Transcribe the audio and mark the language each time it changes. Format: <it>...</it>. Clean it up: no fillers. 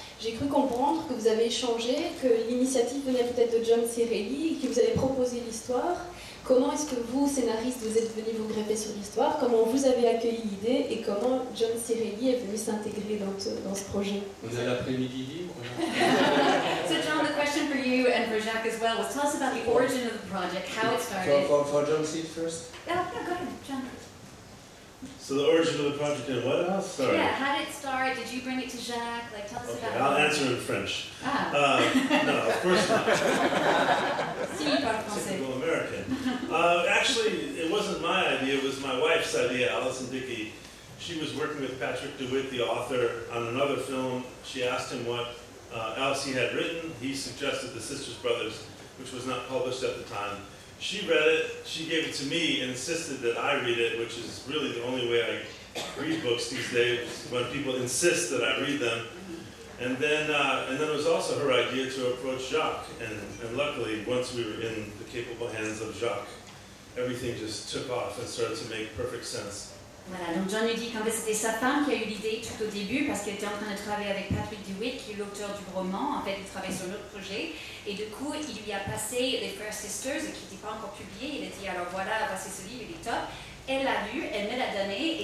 <fr>J'ai cru comprendre que vous avez échangé, que l'initiative venait peut-être de John Cirelli, que vous avez proposé l'histoire. Comment est-ce que vous, scénariste, vous êtes venu vous greffer sur l'histoire? Comment vous avez accueilli l'idée et comment John Cirelli est venu s'intégrer dans ce projet? Vous avez l'après-midi libre.</fr> <en>So John, the question for you and for Jacques as well was, tell us about the origin of the project, how it started. For John Cirelli first? Yeah, go ahead, John. So the origin of the project in what house? Sorry. Yeah, how did it start? Did you bring it to Jacques? Like, tell us okay, about it. Okay, I'll answer in French. Ah. No, of course not.</en> <fr>Si, par français.</fr> <en>Typical American. Actually, it wasn't my idea. It was my wife's idea, Allison Dickey. She was working with Patrick DeWitt, the author, on another film. She asked him what else he had written. He suggested The Sisters Brothers, which was not published at the time. She read it, she gave it to me, and insisted that I read it, which is really the only way I read books these days, when people insist that I read them. And then it was also her idea to approach Jacques, and luckily, once we were in the capable hands of Jacques, everything just took off and started to make perfect sense.</en> <fr>Voilà, donc John lui dit qu'en fait c'était sa femme qui a eu l'idée tout au début parce qu'elle était en train de travailler avec Patrick DeWitt, qui est l'auteur du roman. En fait, il travaillait sur l'autre projet. Et du coup, il lui a passé The First Sisters, qui n'était pas encore publié. Il a dit, alors voilà, voici ce livre, il est top. Elle l'a lu, elle me l'a donné.</fr>